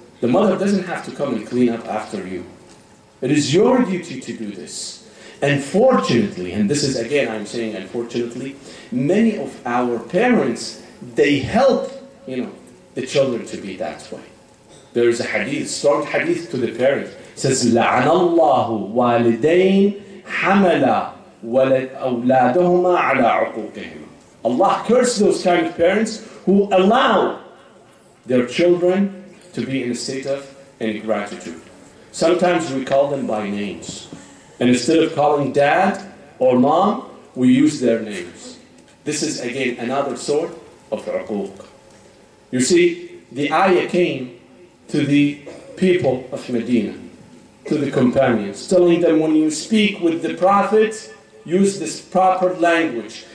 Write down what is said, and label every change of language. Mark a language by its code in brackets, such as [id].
[en] The mother doesn't have to come and clean up after you. It is your duty to do this. And fortunately, and this is again, I'm saying unfortunately, many of our parents, they help, you know, the children to be that way. There is a hadith, strong hadith to the parents. It says, [ar] لَعَنَ اللَّهُ وَالِدَيْنِ حَمَلَ أَوْلَادَهُمَا عَلَىٰ عُقُوقِهِمَا. [en] Allah cursed those kind of parents who allow their children to be in a state of ingratitude. Sometimes we call them by names. And instead of calling dad or mom, we use their names. This is again another sort of uquq. You see, the ayah came to the people of Medina, to the companions, telling them when you speak with the prophet, use this proper language.